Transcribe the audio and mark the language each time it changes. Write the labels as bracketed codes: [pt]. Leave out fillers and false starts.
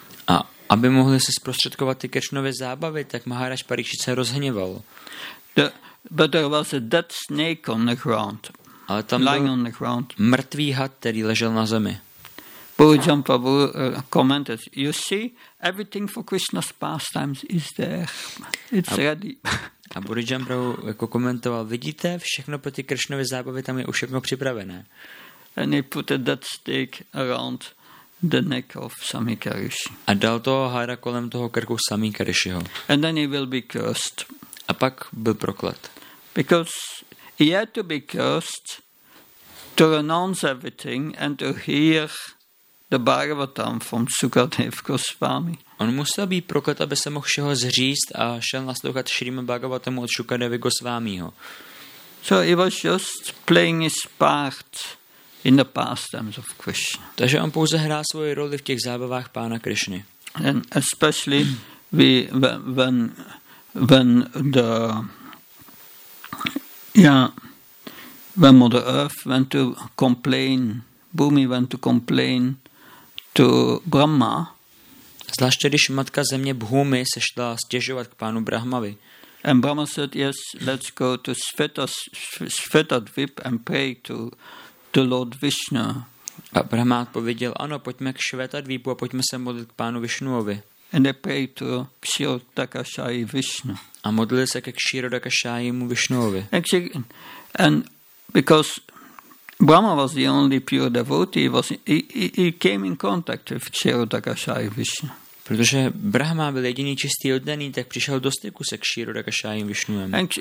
[cs] A aby mohli se zprostředkovat ty Krishnovy zábavy, tak Maharaj Parikshit se rozhněval. [en] But there was a dead snake on the ground. [cs] Ale tam [en] lying [cs] byl [en] on the ground. [cs] Mrtvý had, který ležel na zemi. [en] Bhujan Prabhu commented, you see, everything for Krishna's pastimes is there. It's ready. [cs] A Bhujan Prabhu jako komentoval, vidíte, všechno pro ty Krishnovy zábavy tam je už všechno připravené. [en] And he put a dead snake around the neck of Samika Rishi. [cs] A dal toho hada kolem toho krku Samika Rishiho. [en] And then he will be cursed. [cs] A pak byl proklet. [en] Because he had to be cursed to renounce everything and to hear the Bhagavatam from Sukadev Goswami. [cs] On musel být proklet, aby se mohl všeho zříst a šel naslouchat Shrimad Bhagavatam od Sukadevy Goswamiho. [en] So he was just playing his part in the pastimes of Krishna. [cs] Takže on pouze hrál svoji roli v těch zábavách pána Krishny. [en] And especially when Mother Earth went to complain, Bhumi went to complain to Brahma. [cs] Zvláště když matka země Bhumi se šla stěžovat k pánu Brahmavi. [en] And Brahma said, yes, let's go to Svetadvip and pray to the Lord Vishnu. [cs] A Brahma odpověděl, ano, pojďme k Svetadvipu a pojďme se modlit k pánu Vishnuovi. [en] And they pray to Kshirodakashayi Vishnu. [cs] A modlili se ke Kshirodakashayimu Vishnuovi. [en] And because Brahma was the only pure devotee, he came in contact with Kshirodakashayi Vishnu. [cs] Protože Brahma byl jediný čistý oddaný, tak přišel do styku se Kshirodakashayim Vishnuem.